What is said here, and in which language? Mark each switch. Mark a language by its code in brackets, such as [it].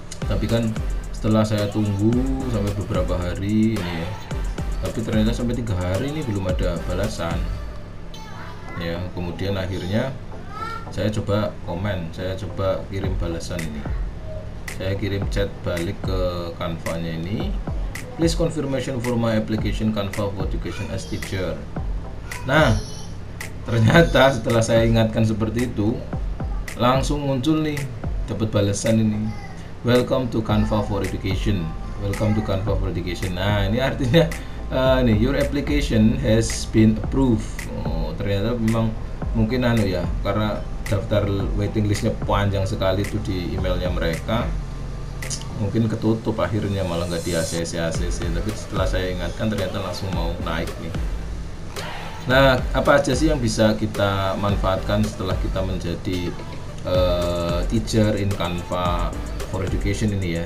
[id] Tapi kan setelah saya tunggu sampai beberapa hari ini ya. Tapi ternyata sampai 3 hari ini belum ada balasan. Ya, kemudian akhirnya saya coba komen, saya coba kirim balasan ini. Saya kirim chat balik ke Canva-nya ini. [en] Please confirmation for my application Canva for Education as teacher. [id] Nah, ternyata setelah saya ingatkan seperti itu, langsung muncul nih, dapat balasan ini. [en] Welcome to Canva for Education. Welcome to Canva for Education. [id] Nah, ini artinya nih, [en] your application has been approved. [id] Oh, ternyata memang mungkin anu ya, karena daftar waiting list-nya panjang sekali itu di emailnya mereka. Mungkin ketutup akhirnya, malah nggak di ACC. Tapi setelah saya ingatkan, ternyata langsung mau naik nih. Nah, apa aja sih yang bisa kita manfaatkan setelah kita menjadi teacher in Canva for Education ini ya.